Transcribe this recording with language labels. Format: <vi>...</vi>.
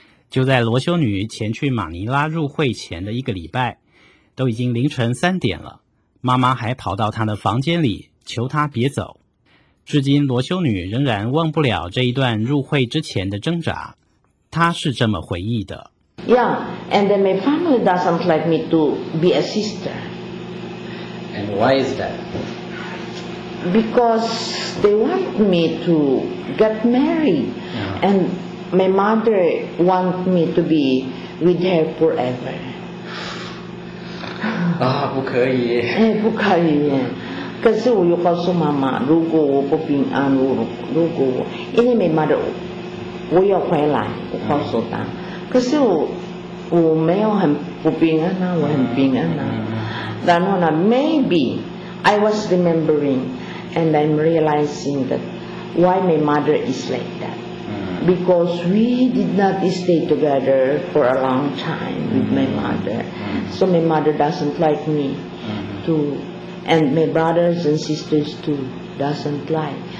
<zh>就在罗修女前去马尼拉入会前的一个礼拜，都已经凌晨三点了，妈妈还跑到她的房间里求她别走。至今罗修女仍然忘不了这一段入会之前的挣扎，她是这么回忆的。</zh> <en>Yeah, and then my family doesn't like me to be a sister. And why is that? Because they want me to get married, and my mother wants me to be with her forever.</en> <zh>Ah, 不可以。哎，不可以。可是我又告诉妈妈，如果我不平安，如果因为</zh> <en>my mother，</en> <zh>我要回来，我告诉她。可是我没有很不平安啊，我很平安啊。然后呢</zh> <en>，maybe I was remembering. And I'm realizing that why my mother is like that. Because we did not stay together for a long time with my mother. So my mother doesn't like me too. And my brothers and sisters too doesn't like.</en>